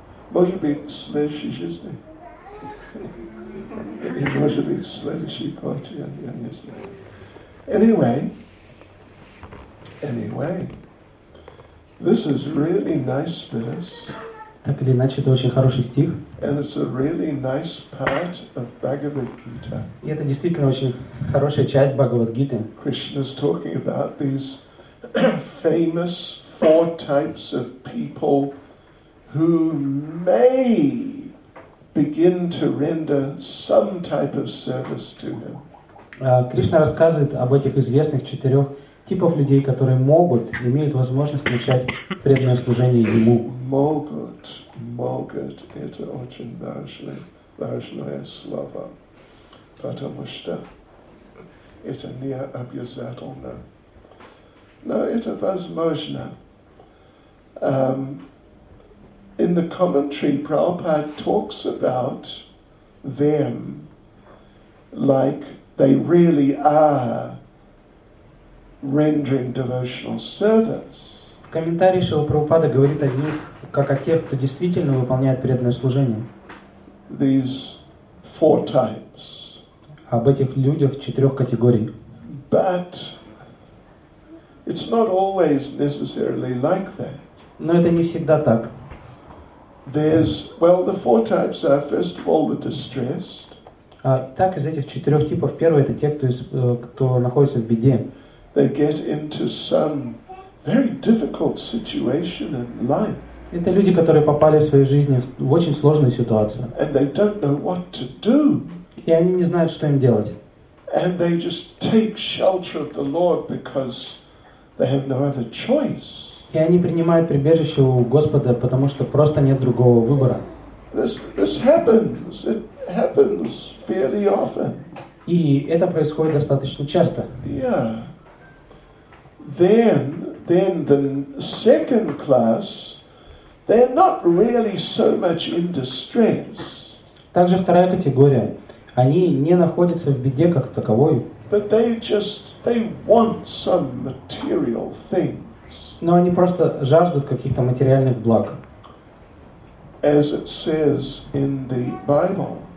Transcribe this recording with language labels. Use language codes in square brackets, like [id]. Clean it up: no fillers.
[ru] Может быть, в следующей жизни? И может быть, в следующей почте, я не знаю. [en] Anyway, this is really nice verse. [ru] Так или иначе, это очень хороший стих. [en] And it's a really nice part of Bhagavad Gita. [ru] И это действительно очень хорошая часть Бхагавад Гиты. [en] Krishna's talking about these famous four types of people who may begin to render some type of service to him. [ru] Кришна рассказывает об этих известных четырех типах людей, которые могут, имеют возможность начать преданное служение ему. Могут, это очень важное слово, потому что это не обязательно, но это возможно. [en] In the commentary, Prabhupada talks about them like they really are rendering devotional service. [ru] В комментарии Шрила Прабхупада говорит о них как о тех, кто действительно выполняет преданное служение. [en] These four types. [ru] Об этих людях четырех категорий. [en] But It's not always necessarily like that. [ru] Но это не всегда так. [en] There's, well, the four types are, first of all, the distressed. [ru] Так, из этих четырех типов, первый — это те, кто находится в беде. [en] They get into some very difficult situation in life. [ru] Это люди, которые попали в своей жизни в очень сложную ситуацию. [en] And they don't know what to do. [ru] И они не знают, что им делать. [en] And they just take shelter of the Lord because they have no other choice. [ru] И они принимают прибежище у Господа, потому что просто нет другого выбора. [en] This happens. It happens fairly often. [ru] И это происходит достаточно часто. [en] Yeah. Then the second class, they're not really so much in distress. [ru] Также вторая категория. Они не находятся в беде как таковой. [en] But they want some material thing. [ru] Но они просто жаждут каких-то материальных благ. [en] As it says in the Bible,